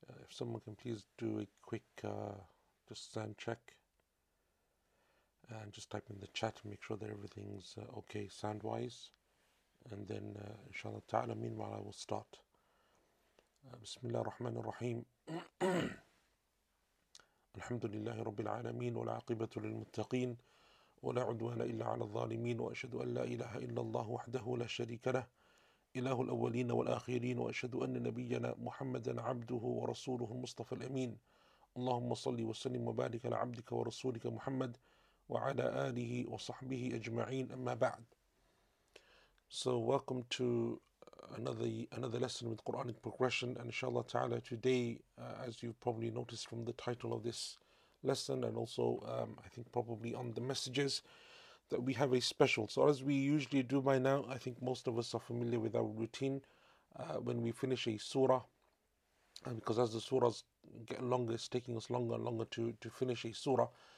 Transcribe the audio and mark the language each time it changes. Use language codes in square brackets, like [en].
[en] If someone can please do a quick just sound check and just type in the chat and make sure that everything's okay sound wise, and then inshallah ta'ala, meanwhile I will start. Bismillah ar-Rahman ar-Rahim. [ar] الحمد لله رب العالمين ولا عاقبة للمتقين ولا عدوان إلا على الظالمين وأشهد أن لا إله إلا الله وحده لا شريك له إله الأولين والآخرين وأشهد أن نبينا محمدا عبده ورسوله المصطفى الأمين اللهم صل وسلم وبارك على عبدك ورسولك محمد وعلى آله وصحبه أجمعين أما بعد. [en] So welcome to another lesson with Quranic progression, and inshallah ta'ala today, as you've probably noticed from the title of this lesson and also I think probably on the messages, that we have a special. So as we usually do by now, I think most of us are familiar with our routine when we finish a surah, and because as the surahs get longer, it's taking us longer and longer to finish a surah.